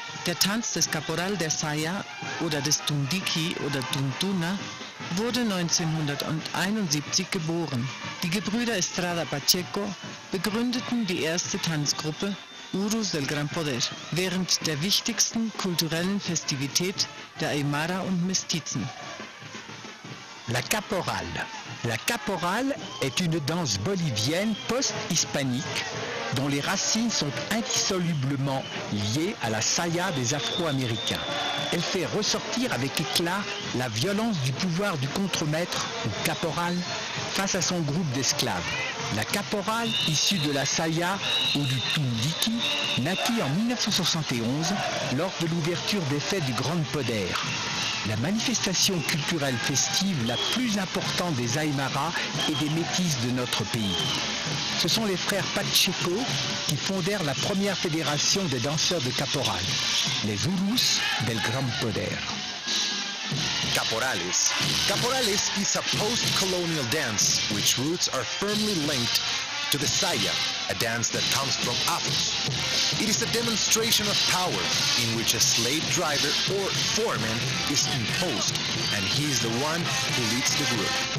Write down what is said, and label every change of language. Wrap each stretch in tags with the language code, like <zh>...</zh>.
<de>Der Tanz des Caporal de Saya oder des Tundiki oder Tuntuna wurde 1971 geboren. Die Gebrüder Estrada Pacheco begründeten die erste Tanzgruppe Urus del Gran Poder während der wichtigsten kulturellen Festivität der Aymara und Mestizen.</de> <fr>La Caporal. La Caporal est une danse bolivienne post-hispanique dont les racines sont indissolublement liées à la saya des Afro-Américains. Elle fait ressortir avec éclat la violence du pouvoir du contremaître ou caporal face à son groupe d'esclaves. La caporal, issue de la saya ou du tundiki, naquit en 1971 lors de l'ouverture des fêtes du Grand Poder. La manifestation culturelle festive la plus importante des Aymaras et des Métis de notre pays. Ce sont les frères Pacheco qui fondèrent la première fédération des danseurs de caporal, les Urus del Gran Poder.</fr> <en>Caporales. Caporales is a post-colonial dance which roots are firmly linked to the Saya, a dance that comes from Afros. It is a demonstration of power in which a slave driver or foreman is imposed and he is the one who leads the group.</en>